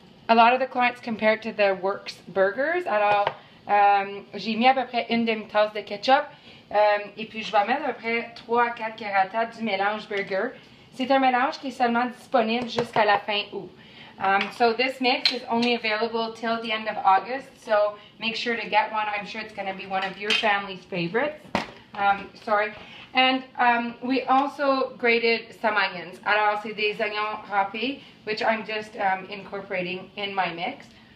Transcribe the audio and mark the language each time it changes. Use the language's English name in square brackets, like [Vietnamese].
[English] A lot of the clients compare it to the Works burgers. [French] Alors, j'ai mis à peu près une demi-tasse de ketchup et puis je vais mettre à peu près 3 à 4 cuillerées du mélange burger. C'est un mélange qui est seulement disponible jusqu'à la fin août. [English] So this mix is only available till the end of August, so make sure to get one. I'm sure it's going to be one of your family's favorites. We also grated some onions. [French] Alors, c'est des oignons râpés, [English] which I'm just incorporating in my mix.